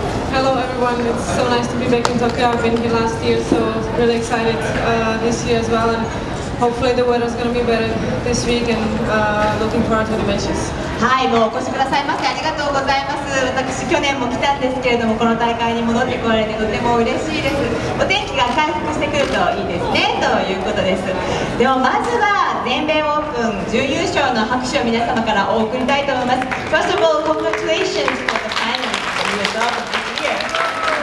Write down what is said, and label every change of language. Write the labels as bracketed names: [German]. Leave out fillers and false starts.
[English] Hello everyone, it's so nice to be back in Tokyo. I've been here last year, so really excited this year as well. And hopefully the weather is going to be better this week and looking forward to the matches. [Japanese] はい、もうお越しくださいませ。ありがとうございます。私、去年も来たんですけれども、この大会に戻ってこられてとても嬉しいです。お天気が回復してくるといいですね、ということです。でもまずは、全米オープン準優勝の拍手を皆様からお送りたいと思います。 [English] First of all, congratulations for the final of the year.